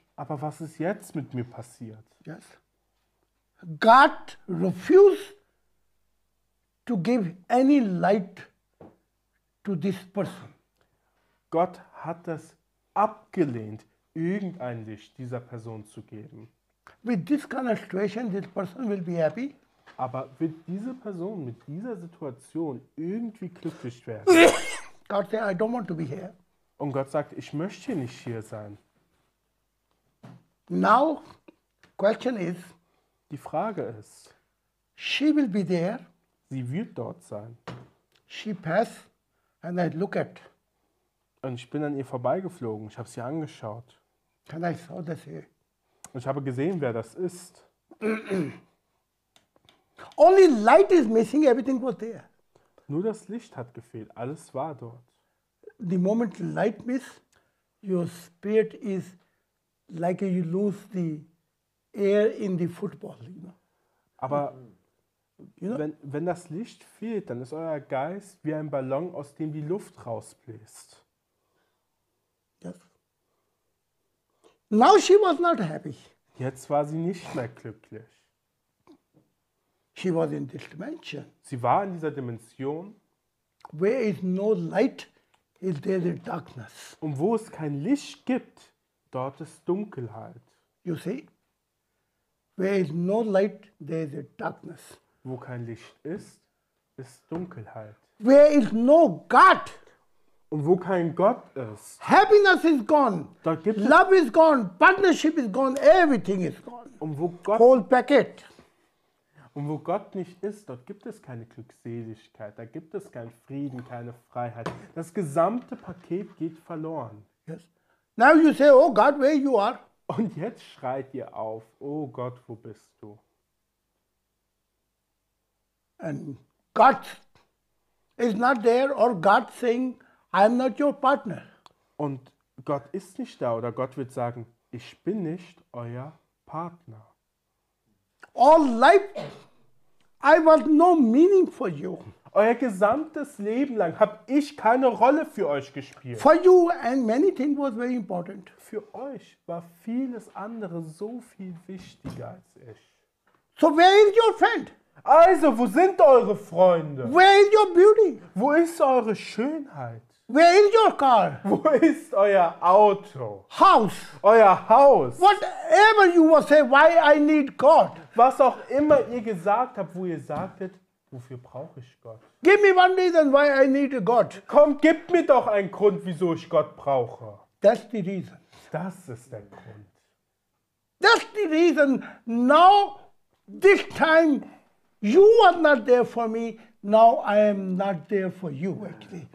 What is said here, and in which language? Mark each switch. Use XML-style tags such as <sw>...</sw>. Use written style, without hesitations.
<de>Aber was ist jetzt mit mir passiert?</de> <en>Yes. God refused to give any light. To this person.</en> <de>Gott hat es abgelehnt, irgendein Licht dieser Person zu geben.</de> <en>With this kind of situation, this person will be happy.</en> <de>Aber wird diese Person mit dieser Situation irgendwie glücklich werden?</de> <en>God said, I don't want to be here.</en> <de>Und Gott sagt, ich möchte nicht hier sein.</de> <en>Now, question is,</en> <de>die Frage ist,</de> <en>she will be there.</en> <de>Sie wird dort sein.</de> <en>She passed. And I look at.</en> <de>Und ich bin an ihr vorbeigeflogen. Ich habe sie angeschaut.</de> <en>And I saw this here.</en> <de>Und ich habe gesehen, wer das ist.</de> <en>Only light is missing. Everything was there.</en> <de>Nur das Licht hat gefehlt. Alles war dort.</de> <en>The moment light miss, your spirit is like you lose the air in the football. You know?</en> <de>Aber Wenn das Licht fehlt, dann ist euer Geist wie ein Ballon, aus dem die Luft rausbläst.</de> <en>Yes. Now she was not happy.</en> <de>Jetzt war sie nicht mehr glücklich.</de> <en>She was in this dimension.</en> <de>Sie war in dieser Dimension.</de> <en>Where is no light, is there the darkness.</en> <de>Und wo es kein Licht gibt, dort ist Dunkelheit.</de> <en>You see? Where is no light, there is the darkness.</en> <de>Wo kein Licht ist, ist Dunkelheit.</de> <en>Where is no God?</en> <de>Und wo kein Gott ist.</de> <en>Happiness is gone. Love is gone. Partnership is gone. Everything is gone.</en> <de>Und wo Gott,</de> <en>whole packet.</en> <de>Und wo Gott nicht ist, dort gibt es keine Glückseligkeit. Da gibt es keinen Frieden, keine Freiheit. Das gesamte Paket geht verloren.</de> <en>Yes. Now you say, oh God, where you are?</en> <de>Und jetzt schreit ihr auf, oh Gott, wo bist du?</de> <en>And God is not there, or God saying, "I am not your partner."</en> <de>Und Gott ist nicht da, oder Gott wird sagen, ich bin nicht euer Partner.</de> <en>All life I want no meaning for you.</en> <de>Euer gesamtes Leben lang habe ich keine Rolle für euch gespielt.</de> <en>For you and many things was very important.</en> <de>Für euch war vieles andere so viel wichtiger als ich.</de> <en>So where is your friend?</en> <de>Also, wo sind eure Freunde?</de> <en>Where is your beauty?</en> <de>Wo ist eure Schönheit?</de> <en>Where is your car?</en> <de>Wo ist euer Auto?</de> <en>House.</en> <de>Euer Haus.</de> <en>Whatever you will say, why I need God.</en> <de>Was auch immer ihr gesagt habt, wo ihr sagtet, wofür brauche ich Gott?</de> <en>Give me one reason why I need a God.</en> <de>Komm, gib mir doch einen Grund, wieso ich Gott brauche.</de> <en>That's the reason. Das ist der Grund. That's the reason. Now, this time, you are not there for me. Now I am not there for you, actually.</en>